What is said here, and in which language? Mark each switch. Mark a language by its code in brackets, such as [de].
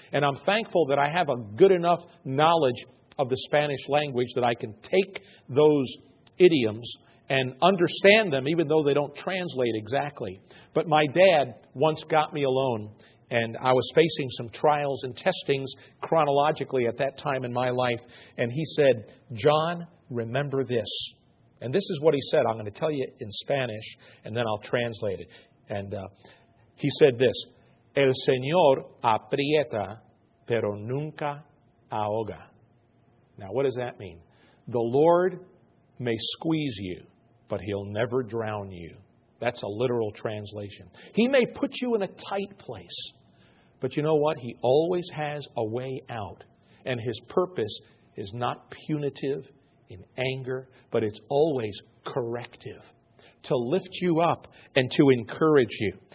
[en] And I'm thankful that I have a good enough knowledge of the Spanish language that I can take those idioms and understand them, even though they don't translate exactly. But my dad once got me alone, and I was facing some trials and testings chronologically at that time in my life. And he said, John, remember this. And this is what he said. I'm going to tell you in Spanish, and then I'll translate it. And he said this, [es] El Señor aprieta, pero nunca ahoga. [en] Now, what does that mean? The Lord may squeeze you, but He'll never drown you. That's a literal translation. He may put you in a tight place, but you know what? He always has a way out. And His purpose is not punitive in anger, but it's always corrective to lift you up and to encourage you.